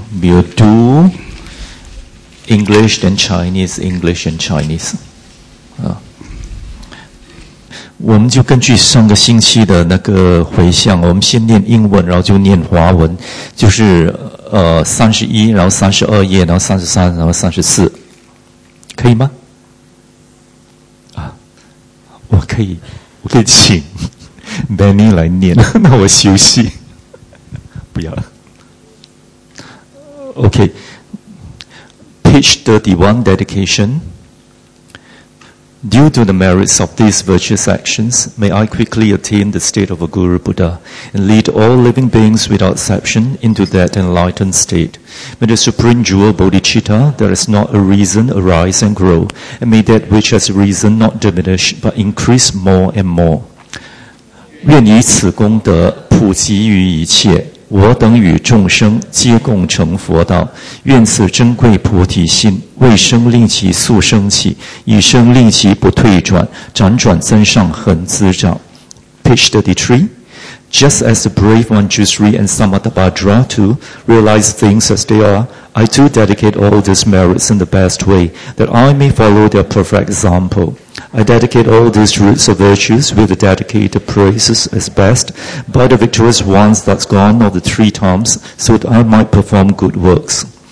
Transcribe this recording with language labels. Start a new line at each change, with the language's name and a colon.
English: We'll do English and Chinese, English and Chinese.
Chinese: 我们就根据上个星期的那个回向，我们先念英文，然后就念华文，就是31，然后32页，然后33，然后34，可以吗？啊，我可以请 Benny 来念，那我休息，不要了。
English: OK, page 31 dedication. Due to the merits of these virtuous actions, may I quickly attain the state of a Guru Buddha and lead all living beings without exception into that enlightened state. May the supreme jewel Bodhicitta, that is not a reason, arise and grow, and may that which has reason not diminish but increase more and more.
Chinese: 愿以此功德普及于一切。我等与众生皆共成佛道，愿此珍贵菩提心，为生令其速升起，以生令其不退转，辗转增上恒滋长。
English: Page 33. Just as the brave Manjusri and Samatabhadra too realize things as they are, I too dedicate all these merits in the best way, that I may follow their perfect example. I dedicate all these roots of virtues with the dedicated praises as best by the victorious ones that's gone of the three times so that I might perform good works.